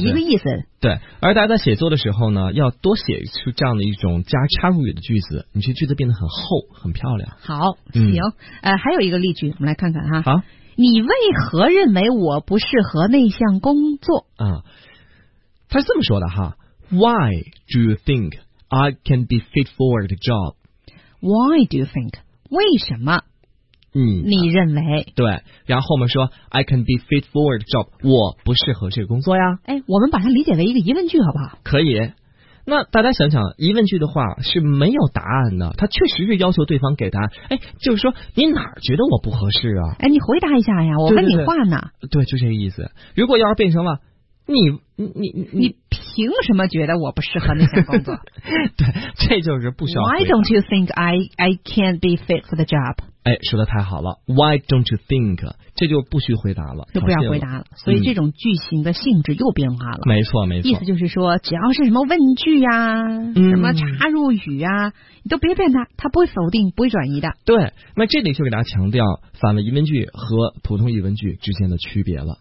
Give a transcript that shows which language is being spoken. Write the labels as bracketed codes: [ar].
[zh] 是一个意思。对，而大家在写作的时候呢，要多写出这样的一种加插入语的句子，你这句子变得很厚很漂亮。好，行，还有一个例句，我们来看看哈。好，你为何认为我不适合那项工作？啊，他是这么说的哈。 [en] Why do you think I can be fit for the job? Why do you think? [zh] 为什么？你认为？对，然后我们说 [en] I can be fit for the job. [zh] 我不适合这个工作呀。哎，我们把它理解为一个疑问句好不好？可以。那大家想想，疑问句的话是没有答案的，它确实是要求对方给答案。哎，就是说你哪儿觉得我不合适啊？哎，你回答一下呀，我问你话呢。对, 对, 对, 对，就这个意思。如果要是变成了你凭什么觉得我不适合那项工作？对，这就是不需要。 [en] Why don't you think I can be fit for the job? [zh] 哎，说的太好了。 [en] Why don't you think? [zh] 这就不需回答了，就不要回答了。所以这种句型的性质又变化了。没错，没错。意思就是说，只要是什么问句呀、什么插入语呀、你都别变它，它不会否定，不会转移的。对，那这里就给大家强调反了疑问句和普通疑问句之间的区别了。